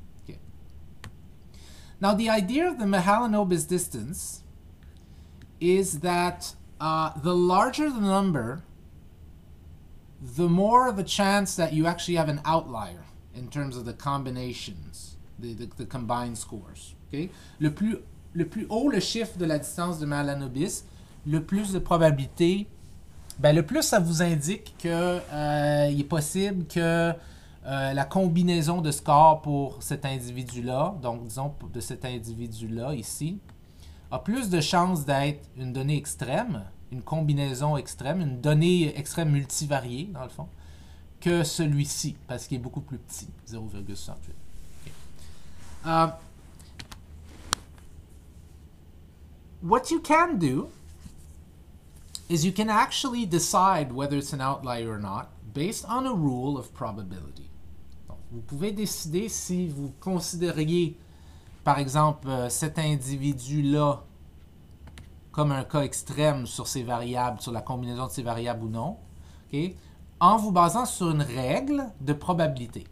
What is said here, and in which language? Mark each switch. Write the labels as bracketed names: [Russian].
[English] OK. Now, the idea of the Mahalanobis distance is that... the larger the number, the more of a chance that you actually have an outlier in terms of the combinations, the combined scores. Okay, [French] le plus le plus haut le chiffre de la distance de Mahalanobis, le plus de probabilité, ben le plus ça vous indique que il est possible que la combinaison de scores pour cet individu-là, donc disons de cet individu-là ici, a plus de chances d'être une donnée extrême, une combinaison extrême, une donnée extrême multivariée dans le fond, que celui-ci, parce qu'il est beaucoup plus petit, 0,68. [English] What you can do is you can actually decide whether it's an outlier or not based on a rule of probability. [French] Donc, vous pouvez décider si vous considériez, par exemple, cet individu-là comme un cas extrême sur ces variables, sur la combinaison de ces variables ou non, okay, en vous basant sur une règle de probabilité.